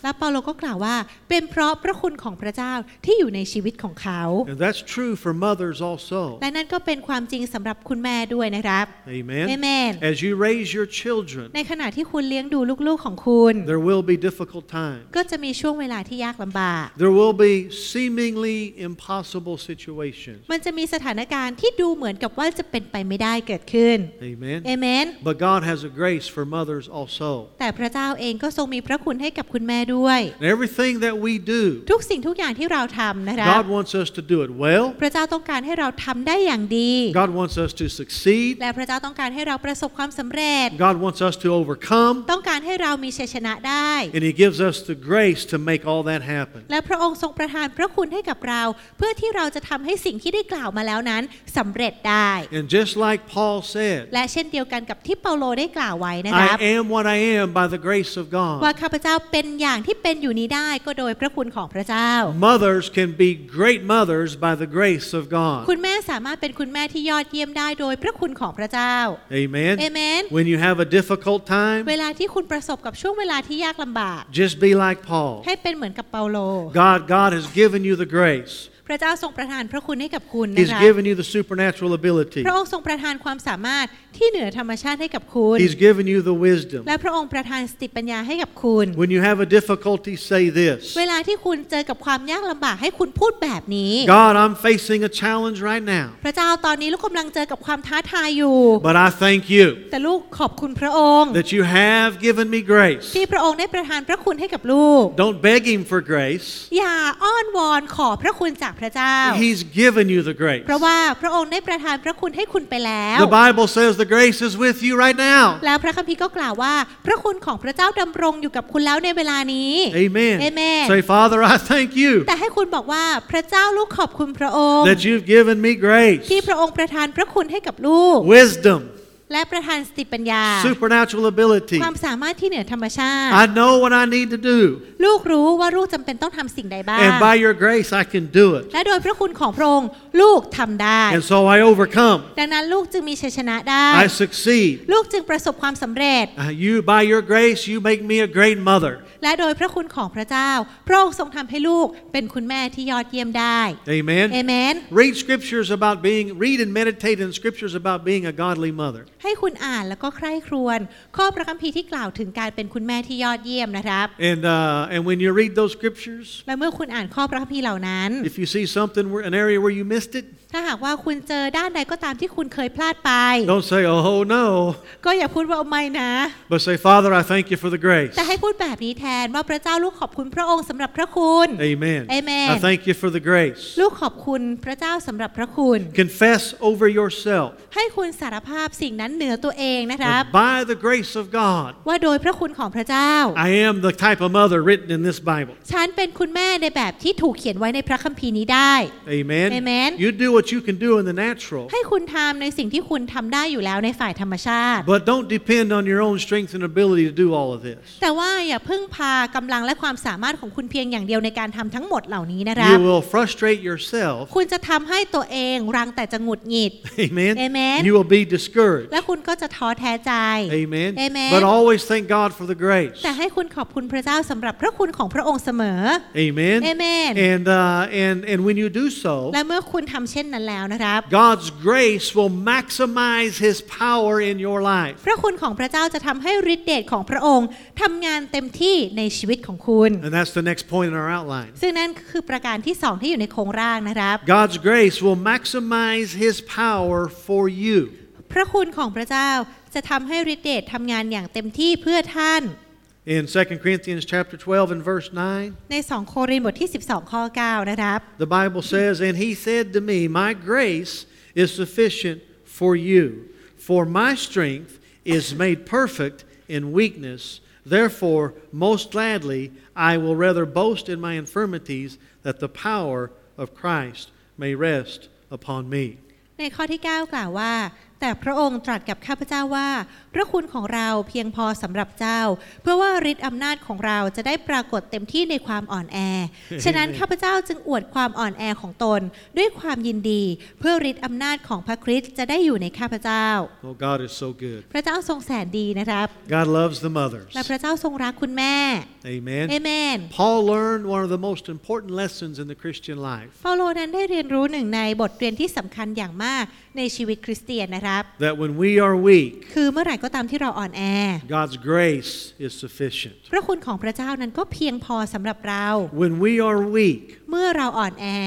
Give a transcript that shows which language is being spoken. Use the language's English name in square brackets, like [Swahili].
[Thai] และเปาโลก็กล่าวว่าเป็นเพราะพระคุณของพระเจ้าที่อยู่ในชีวิตของเขา [English] And that's true for mothers also. [Thai] และนั่นก็เป็นความจริงสำหรับคุณแม่ด้วยนะครับ [English] Amen. Amen. As you raise your children, [Thai] ในขณะที่คุณเลี้ยงดูลูกๆของคุณ [English] there will be difficult times. [Thai] ก็จะมีช่วงเวลาที่ยากลำบาก [English] There will be seemingly impossible situations. [Thai] มันจะมีสถานการณ์ที่ดูเหมือนกับว่าจะเป็นไปไม่ได้เกิดขึ้น [English] Amen. Amen. But God has a grace for mothers also. [Thai] แต่พระเจ้าเองก็ทรงมีพระคุณให้กับคุณแม่ด้วย [English] Everything that we do [Thai] ทุกสิ่งทุกอย่างที่เราทำนะคะ [English] God wants us to do it well [Thai] พระเจ้าต้องการให้เราทำได้อย่างดี [English] God wants us to succeed [Thai] และพระเจ้าต้องการให้เราประสบความสำเร็จ [English] God wants us to overcome [Thai] ต้องการให้เรามีชัยชนะได้ [English] And he gives us the grace to make all that happen [Thai] และพระองค์ทรงประทานพระคุณให้กับเราเพื่อที่เราจะทำให้สิ่งที่ได้กล่าวมาแล้วนั้นสำเร็จได้ [English] And just like Paul said [Thai] และเช่นเดียวกันกับที่เปาโลได้กล่าวไว้นะครับ [English] I am what I am by theGrace of God. [Thai] ว่าข้าพเจ้าเป็นอย่างที่เป็นอยู่นี้ได้ก็โดยพระคุณของพระเจ้า [English] Mothers can be great mothers by the grace of God. [Thai] คุณแม่สามารถเป็นคุณแม่ที่ยอดเยี่ยมได้โดยพระคุณของพระเจ้า [English] Amen. Amen. When you have a difficult time, [Thai] เวลาที่คุณประสบกับช่วงเวลาที่ยากลำบาก [English] Just be like Paul. [Thai] ให้เป็นเหมือนกับเปาโล [English] God has given you the grace. [Thai] พระเจ้าทรงประทานพระคุณให้กับคุณนะค [English] ะ He's given you the supernatural ability [Thai] พระองค์ทรงประทานความสามารถที่เหนือธรรมชาติให้กับคุณ [English] He's given you the wisdom [Thai] และพระองค์ประทานสติปัญญาให้กับคุณ [English] When you have a difficulty say this [Thai] เวลาที่คุณเจอกับความยากลำบากให้คุณพูดแบบนี้ [English] God I'm facing a challenge right now [Thai] พระเจ้าตอนนี้ลูกกำลังเจอกับความท้าทายอยู่ [English] But I thank you [Thai] แต่ลูกขอบคุณพระองค์ [English] That you have given me grace [Thai] ที่พระองค์ได้ประทานพระคุณให้กับลูก [English] Don't beg him for grace [Thai] อย่าอ้อนวอนขอพระคุณจาก [English] He's given you the grace. [Thai] เพราะว่าพระองค์ได้ประทานพระคุณให้คุณไปแล้ว [English] The Bible says the grace is with you right now. [Thai] แล้วพระคัมภีร์ก็กล่าวว่าพระคุณของพระเจ้าดำรงอยู่กับคุณแล้วในเวลานี้ [English] Amen. Amen. Say, Father, I thank you. [Thai] แต่ให้คุณบอกว่าพระเจ้าลูกขอบคุณพระองค์ [English] That you've given me grace. [Thai] ที่พระองค์ประทานพระคุณให้กับลูก [English] Wisdom. [Thai] และประทานสติปัญญา [English] supernatural ability [Thai] ความสามารถที่เหนือธรรมชาติ [English] I know what I need to do [Thai] ลูกรู้ว่าลูกจำเป็นต้องทำสิ่งใดบ้าง [English] and by your grace I can do it [Thai] และโดยพระคุณของพระองค์ลูกทำได้ [English] and so I overcome [Thai] ดังนั้นลูกจึงมีชัยชนะได้ [English] I succeed [Thai] ลูกจึงประสบความสำเร็จ [English] you by your grace you make me a great mother [Thai] และโดยพระคุณของพระเจ้าพระองค์ทรงทำให้ลูกเป็นคุณแม่ที่ยอดเยี่ยมได้ [English] Amen. Amen. Read scriptures about being read and meditate in scriptures about being a godly mother. [Thai] ให้คุณอ่านแล้วก็ใคร่ครวญข้อพระคัมภีร์ที่กล่าวถึงการเป็นคุณแม่ที่ยอดเยี่ยมนะครับ [English] And when you read those scriptures [Thai] และเมื่อคุณอ่านข้อพระคัมภีร์เหล่านั้น [English] If you see something an area where you missed it [Thai] ถ้าหากว่าคุณเจอด้านใดก็ตามที่คุณเคยพลาดไป [English] Don't say oh no [Thai] ก็อย่าพูดว่าไม่นะ [English] But say Father I thank you for the grace [Thai] แต่ให้พูดแบบนี้แทนว่าพระเจ้าลูกขอบคุณพระองค์สำหรับพระคุณ [English] Amen Amen I thank you for the grace [Thai] ลูกขอบคุณพระเจ้าสำหรับพระคุณ [English] Confess over yourself [Thai] ให้คุณสารภาพสิ่งนั้นเหนือตัวเองนะครับ [English] By the grace of God [Thai] ว่าโดยพระคุณของพระเจ้า [English] I am the type of mother written in this Bible [Thai] ฉันเป็นคุณแม่ในแบบที่ถูกเขียนไว้ในพระคัมภีร์นี้ได้ [English] Amen Amen You do what you can do in the natural [Thai] ให้คุณทำในสิ่งที่คุณทำได้อยู่แล้วในฝ่ายธรรมชาติ [English] But don't depend on your own strength and ability to do all of this [Thai] แต่ว่าอย่าพึ่งพากำลังและความสามารถของคุณเพียงอย่างเดียวในการทำทั้งหมดเหล่านี้นะครับ [English] You will frustrate yourself [Thai] คุณจะทำให้ตัวเองรังแต่จะหงุดหงิด [English] Amen Amen You will be discouraged [Thai] และ แล้วคุณก็จะท้อแท้ใจ [English] Amen. Amen But always thank God for the grace [Thai] แต่ให้คุณขอบคุณพระเจ้าสำหรับพระคุณของพระองค์เสมอ [English] Amen Amen And when you do so [Thai] และเมื่อคุณทำเช่นนั้นแล้วนะครับ [English] God's grace will maximize His power in your life [Thai] พระคุณของพระเจ้าจะทำให้ฤทธิ์เดชของพระองค์ทำงานเต็มที่ในชีวิตของคุณ [English] And that's the next point in our outline [Thai] ซึ่งนั่นคือประการที่สองที่อยู่ในโครงร่างนะครับ [English] God's grace will maximize His power for you [Thai] พระคุณของพระเจ้าจะทำให้ฤทธิ์เดชทำงานอย่างเต็มที่เพื่อท่าน [English] In 2 Corinthians chapter 12 and verse 9 [Thai] ใน2โครินธ์บทที่12ข้อ9นะครับ [English] The Bible says and he said to me my grace is sufficient for you for my strength is made perfect in weakness therefore most gladly I will rather boast in my infirmities that the power of Christ may rest upon me [Thai] ในข้อที่9กล่าวว่าแต่พระองค์ตรัสกับข้าพเจ้าว่าพระคุณของเราเพียงพอสำหรับเจ้าเพื่อว่าฤทธิ์อำนาจของเราจะได้ปรากฏเต็มที่ในความอ่อนแอฉะนั้นข้าพเจ้าจึงอวดความอ่อนแอของตนด้วยความยินดีเพื่อฤทธิ์อำนาจของพระคริสต์จะได้อยู่ในข้าพเจ้า [English] Oh God is so good [Thai] พระเจ้าทรงแสนดีนะครับ [English] God loves the mothers [Thai] และพระเจ้าทรงรักคุณแม่ [English] Amen Amen Paul learned one of the most important lessons in the Christian life [Thai] เปาโลนั้นได้เรียนรู้หนึ่งในบทเรียนที่สำคัญอย่างมากในชีวิตคริสเตียนนะครับ [English] That when we are weak [Thai] คือเมื่อไหร่ก็ตามที่เราอ่อนแอ [English] God's grace is sufficient [Thai] พระคุณของพระเจ้านั้นก็เพียงพอสำหรับเรา [English] When we are weak [Thai] เมื่อเราอ่อนแอ